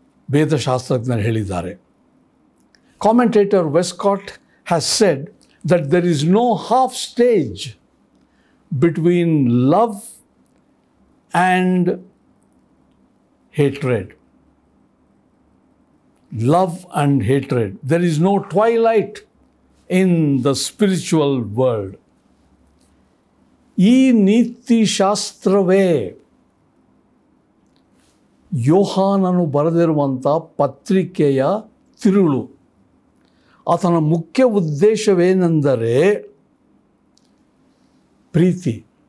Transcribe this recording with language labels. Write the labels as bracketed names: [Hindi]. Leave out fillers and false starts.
[Kannada] ವೇದಶಾಸ್ತ್ರಜ್ಞರು ಹೇಳಿದ್ದಾರೆ. [English] Commentator Westcott has said that there is no half stage between love and hatred. Love and hatred. There is no twilight in the spiritual world. [Kannada] ಈ ನೀತಿ ಶಾಸ್ತ್ರವೇ ಯೋಹಾನನು ಬರೆದಿರುವಂಥ ಪತ್ರಿಕೆಯ ತಿರುಳು. ಆತನ ಮುಖ್ಯ ಉದ್ದೇಶವೇನೆಂದರೆ ಪ್ರೀತಿ.